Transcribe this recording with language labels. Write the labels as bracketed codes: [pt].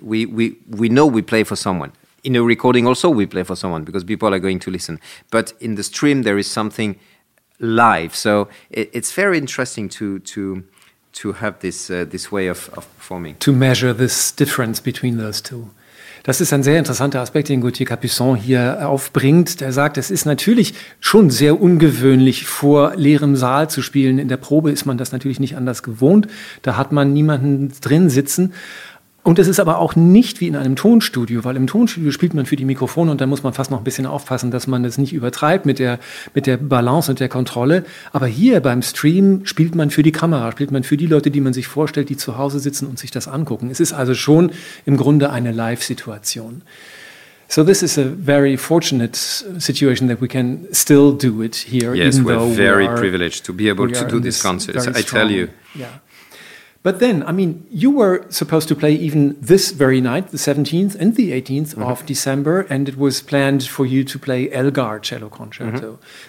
[en] We know we play for someone. In a recording also we play for someone because people are going to listen. But in the stream there is something live. So it's very interesting to have this way of performing. To measure this difference between those two. [de] Das ist ein sehr interessanter Aspekt, den Gauthier Capuçon hier aufbringt. Der sagt, es ist natürlich schon sehr ungewöhnlich, vor leerem Saal zu spielen. In der Probe ist man das natürlich nicht anders gewohnt. Da hat man niemanden drin sitzen. Und es ist aber auch nicht wie in einem Tonstudio, weil im Tonstudio spielt man für die Mikrofone und da muss man fast noch ein bisschen aufpassen, dass man das nicht übertreibt mit der Balance und der Kontrolle. Aber hier beim Stream spielt man für die Kamera, spielt man für die Leute, die man sich vorstellt, die zu Hause sitzen und sich das angucken. Es ist also schon im Grunde eine Live-Situation. [en] So this is a very fortunate situation that we can still do it here. Yes, even we're very privileged to be able to do this concert, I tell you. Yeah. But then, I mean, you were supposed to play even this very night, the 17th and the 18th mm-hmm. of December, and it was planned for you to play Elgar Cello Concerto. Mm-hmm.